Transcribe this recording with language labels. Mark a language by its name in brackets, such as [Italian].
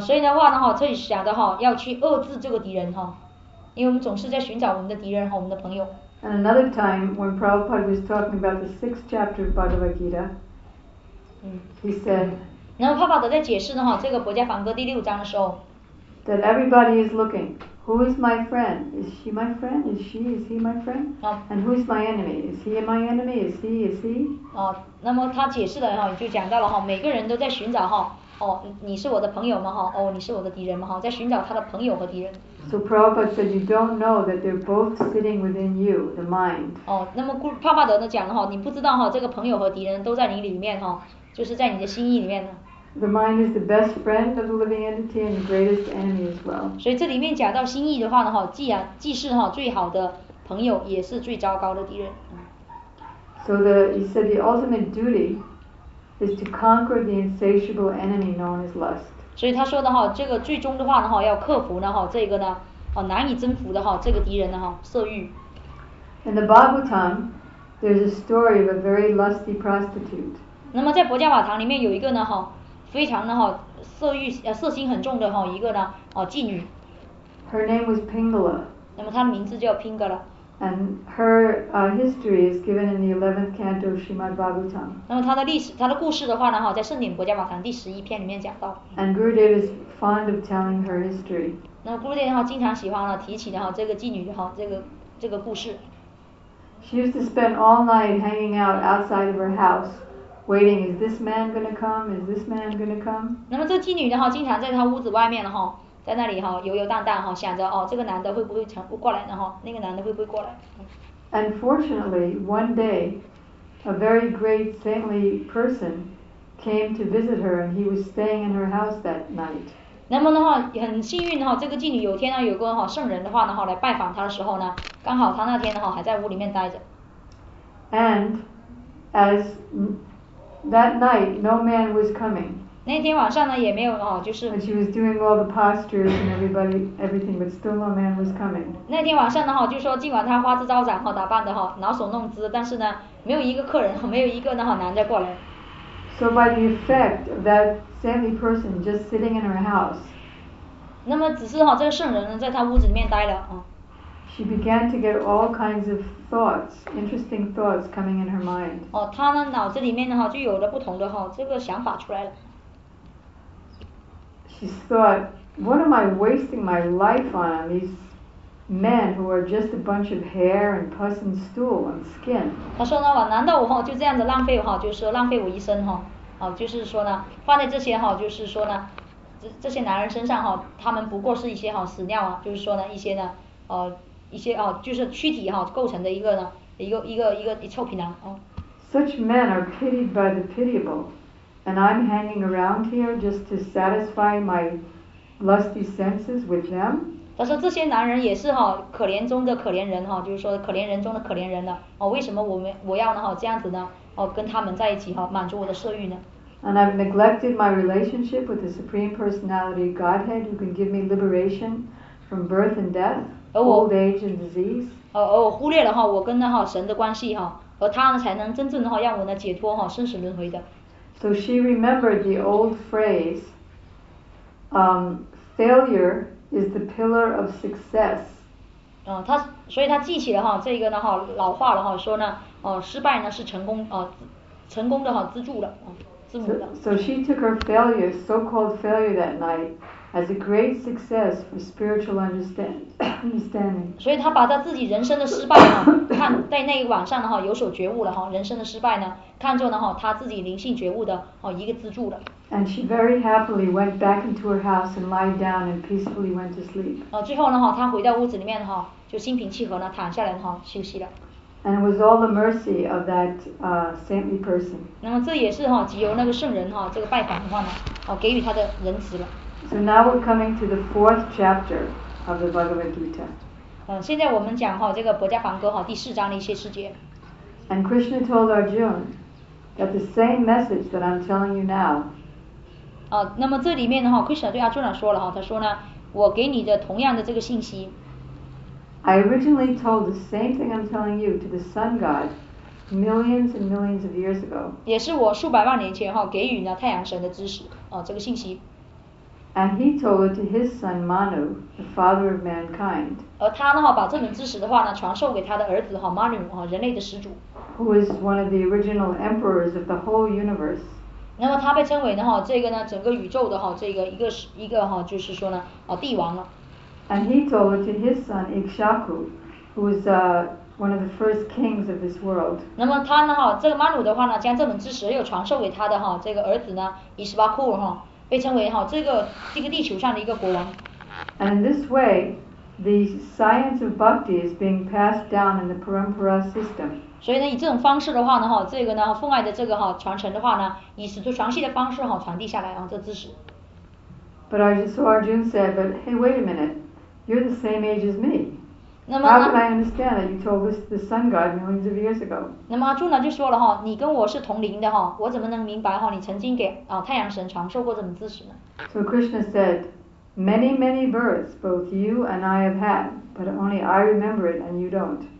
[Chinese] 所以的话呢哈，这里想的哈，要去遏制这个敌人哈，因为我们总是在寻找我们的敌人和我们的朋友。 [English] And another time, when Prabhupada was talking about the sixth chapter of Bhagavad Gita, he said. [Chinese] 然后帕帕德在解释呢哈，这个《薄伽梵歌》第六章的时候。 [English] That everybody is looking. Who is my friend? Is she my friend? Is she? Is he my friend? And who is my enemy? Is he my enemy? Is he? Is he? [Chinese] 那么他解释了哈，就讲到了哈，每个人都在寻找哈，哦，你是我的朋友吗？哈，哦，你是我的敌人吗？哈，在寻找他的朋友和敌人。 [English] So Prabhupada said you don't know that they're both sitting within you, the mind. [Chinese] 那么帕帕德呢讲了哈，你不知道哈，这个朋友和敌人都在你里面哈，就是在你的心意里面呢。 [English] The mind is the best friend of the living entity and the greatest enemy as well. [Chinese] 所以这里面讲到心意的话呢，哈，既是哈最好的朋友，也是最糟糕的敌人。 [English] So he said the ultimate duty is to conquer the insatiable enemy known as lust. [Chinese] 所以他说的哈，这个最终的话呢，哈，要克服呢，哈，这个呢，哦，难以征服的哈，这个敌人呢，哈，色欲。 [English] In the Bhagavatam, there's a story of a very lusty prostitute. [Chinese] 那么在《薄伽瓦唐》里面有一个呢，哈。非常的哈色欲色心很重的哈一个呢妓女。 [English] Her name was Pingala. [Chinese] 那么她的名字叫 Pingala。 [English] And her history is given in the 11th canto of Srimad Bhagavatam. [Chinese] 那么她的历史她的故事的话呢哈在圣典薄伽瓦唐第十一篇里面讲到。 [English] And Gurudev is fond of telling her history. [Chinese] 那么 Gurudev 哈经常喜欢呢提起的哈这个妓女的哈这个故事。 [English] She used to spend all night hanging out outside of her house. Waiting, is this man gonna come? Is this man gonna come? [Chinese] 那么这妓女呢哈，经常在她屋子外面哈，在那里哈游游荡荡哈，想着哦，这个男的会不会过来呢哈？那个男的会不会过来 [English] ？Unfortunately, one day, a very great saintly person came to visit her, and he was staying in her house that night. [Chinese] 那么的话很幸运的话，这个妓女有天呢有个哈圣人的话呢哈来拜访她的时候呢，刚好她那天的话还在屋里面待着。 [English] And as that night no man was coming. [Chinese] 那天晚上呢也没有哦，就是。 [English] And she was doing all the postures and everything, but still no man was coming. [Chinese] 那天晚上呢哈，就说尽管她花枝招展哈，打扮的哈搔首弄姿，但是呢没有一个客人，没有一个呢哈男的过来。 [English] So by the effect of that sandy person just sitting in her house, [Chinese] 那么只是哈这个圣人呢在她屋子里面待了啊。 [English] She began to get all kinds of thoughts, interesting thoughts coming in her mind. [Chinese] 哦，她呢脑子里面呢哈就有了不同的哈这个想法出来了。 [English] She thought, "What am I wasting my life on? These men who are just a bunch of hair and pus and stool and skin." [Chinese] 她说呢，我难道我哈就这样子浪费哈，就是浪费我一生哈，啊，就是说呢，花在这些哈，就是说呢，这些男人身上哈，他们不过是一些哈屎尿啊，就是说呢，一些呢，一些哦，就是躯体哈构成的一个呢，一个臭皮囊哦。 [English] Such men are pitied by the pitiable. And I'm hanging around here just to satisfy my lusty senses with them. [Chinese] 他说这些男人也是哈可怜中的可怜人哈，就是说可怜人中的可怜人了。哦，为什么我要呢哈这样子呢？哦，跟他们在一起哈，满足我的色欲呢 [English] ？And I've neglected my relationship with the Supreme Personality Godhead, who can give me liberation from birth and death, old age and disease. [Chinese] 而我忽略了哈我跟那哈神的关系哈，而他呢才能真正的哈让我呢解脱哈生死轮回的。 [English] So she remembered the old phrase, "Failure is the pillar of success." [Chinese] 哦，她所以她记起了哈这个呢哈老话了哈，说呢哦失败呢是成功哦成功的哈支柱了啊，支柱了。 [English] So she took her failure, so-called failure that night, as a great success for spiritual understanding. [Chinese] 所以她把她自己人生的失败哈，看在那一晚上的哈有所觉悟了哈，人生的失败呢。看作呢哈，他自己灵性觉悟的哦一个支柱了。 [English] And she very happily went back into her house and lied down and peacefully went to sleep. [Chinese] 最后呢哈，他回到屋子里面哈，就心平气和呢躺下来哈休息了。 [English] And it was all the mercy of that saintly person. [Chinese] 那么这也是哈，藉由那个圣人哈这个拜访的话呢，哦给予他的仁慈了。 [English] So now we're coming to the fourth chapter of the Bhagavad Gita. [Chinese] 现在我们讲哈这个《薄伽梵歌》哈第四章的一些细节。 [English] And Krishna told Arjuna. That the same message that I'm telling you now. [Chinese] 那么这里面的话 ，Krishna 对阿朱娜说了哈，他说呢，我给你的同样的这个信息。 [English] I originally told the same thing I'm telling you to the sun god, millions and millions of years ago. [Chinese] 也是我数百万年前哈给予呢太阳神的知识啊，这个信息。 [English] And he told it to his son Manu, the father of mankind. [Chinese] 而他呢哈把这门知识的话呢传授给他的儿子哈 Manu 啊，人类的始祖。 [English] Who is one of the original emperors of the whole universe? [Chinese] 那么他被称为呢哈这个呢整个宇宙的哈这个一个哈就是说呢啊帝王了。 [English] And he told it to his son Ikshaku, who is one of the first kings of this world. [Chinese] 那么他呢哈这个曼努的话呢将这门知识又传授给他的哈这个儿子呢伊斯巴库哈被称为哈这个地球上的一个国王。 [English] And in this way, the science of bhakti is being passed down in the parampara system. [Chinese] 所以呢，以这种方式的话呢，哈，这个呢，奉爱的这个哈传承的话呢，以使徒传系的方式哈传递下来啊，这知识。 [English] But Arjuna said, "But hey, wait a minute, you're the same age as me. [Chinese] 那么 [English] How can I understand that you told this to the sun god millions of years ago?" [Chinese] 那么阿朱呢就说了哈，你跟我是同龄的哈，我怎么能明白哈你曾经给啊太阳神传授过这种知识呢 [English] ？So Krishna said, "Many, many births both you and I have had, but only I remember it and you don't."